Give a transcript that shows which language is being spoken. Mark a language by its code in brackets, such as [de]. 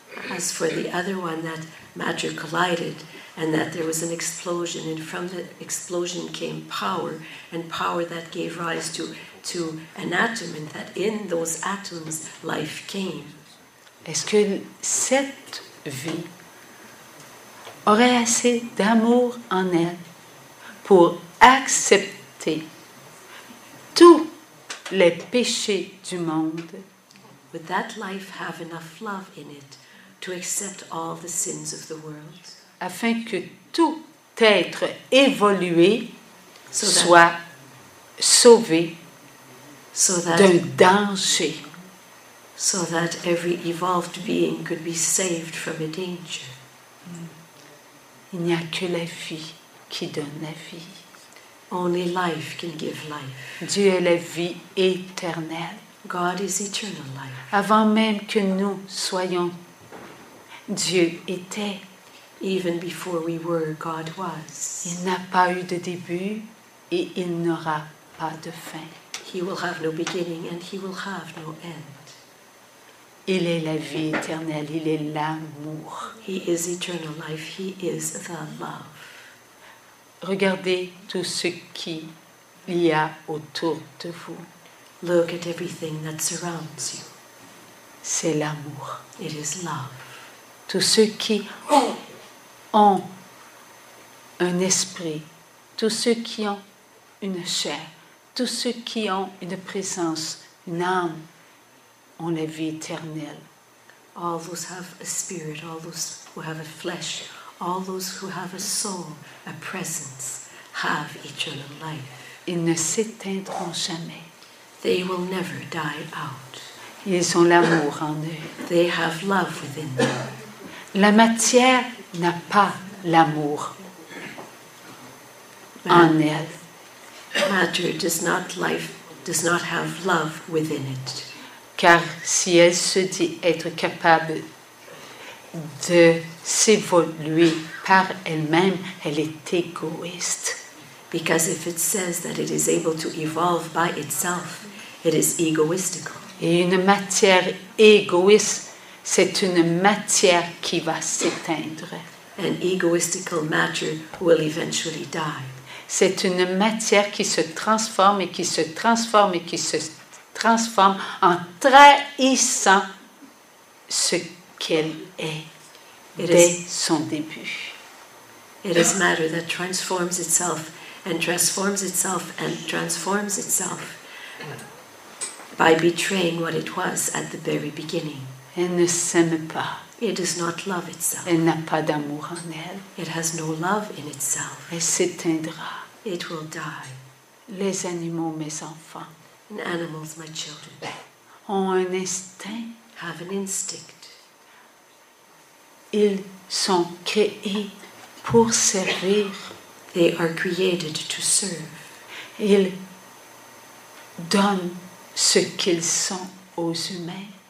[en] As for the other one, that matter collided, and that there was an explosion, and from the explosion came power, and power that gave rise to an atom, and that in those atoms life came. [fr] Est-ce que cette vie aurait assez d'amour en elle pour accepter tous les péchés du monde? [en] Would that life have enough love in it to accept all the sins of the world? [fr] Afin que tout être évolué soit sauvé. D'un danger. [en] So that every evolved being could be saved from a danger. [fr] Il n'y a que la vie qui donne la vie. [en] Only life can give life. [fr] Dieu est la vie éternelle. [en] God is eternal life. [fr] Avant même que nous soyons, Dieu était. [en] Even before we were, God was. [fr] Il n'a pas eu de début et il n'aura pas de fin. [en] He will have no beginning and he will have no end. [fr] Il est la vie éternelle, il est l'amour. [en] He is eternal life, he is the love. [fr] Regardez tout ce qui y a autour de vous. [en] Look at everything that surrounds you. [fr] C'est l'amour. [en] It is love. [fr] Tous ceux qui ont un esprit, tous ceux qui ont une chair, tous ceux qui ont une présence, une âme, ont la vie éternelle. [en] All those have a spirit, all those who have a flesh, all those who have a soul, a presence, have eternal life. [fr] Ils ne s'éteindront jamais. [en] They will never die out. [fr] Ils ont l'amour en eux. [en] They have love within them. [fr] La matière n'a pas l'amour en elle. [en] Matter does not life does not have love within it. [fr] Car si elle se dit être capable de s'évoluer par elle-même, elle est égoïste. [en] Because if it says that it is able to evolve by itself, it is egoistical. [fr] Et une matière égoïste, c'est une matière qui va s'éteindre. [en] An egoistical matter will eventually die. [fr] C'est une matière qui se transforme et qui se transforme et qui se transforme en trahissant ce qu'elle est dès son début. [en] It is matter that transforms itself and transforms itself and transforms itself by betraying what it was at the very beginning. [fr] Elle ne s'aime pas. [en] It does not love itself. [fr] Elle n'a pas d'amour en elle. [en] It has no love in itself. [fr] Elle s'éteindra. [en] It will die. [fr] Les animaux, mes enfants. [en] And animals, my children. [fr] Ont un instinct. [en] Have an instinct. [fr] Ils sont créés pour servir. [en] They are created to serve. [fr] Ils donnent ce qu'ils sont aux humains.